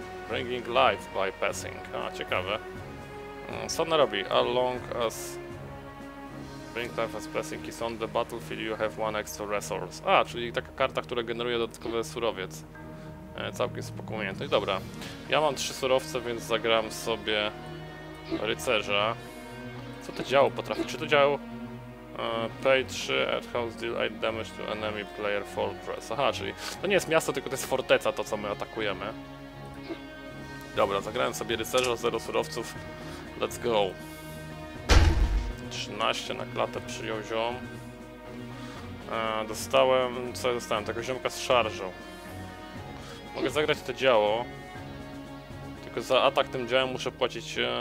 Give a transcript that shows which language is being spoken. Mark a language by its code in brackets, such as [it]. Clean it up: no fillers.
[pl] Bringing life bypassing. A, ciekawe. Co on robi? [en] As long as bring life bypassing is on the battlefield, you have one extra resource. [pl] A, czyli taka karta, która generuje dodatkowy surowiec. Całkiem spokojnie. No i dobra. Ja mam 3 surowce, więc zagram sobie rycerza. Co to działo potrafi? Czy to działo? [en] Pay 3, at house deal 8 damage to enemy player fortress. [pl] Aha, czyli to nie jest miasto, tylko to jest forteca, to co my atakujemy. Dobra, zagrałem sobie rycerza, 0 surowców. Let's go. 13 na klatę przyjął ziom. Dostałem, co ja dostałem? Tego ziomka z szarżą. Mogę zagrać to działo. Tylko za atak tym działem muszę płacić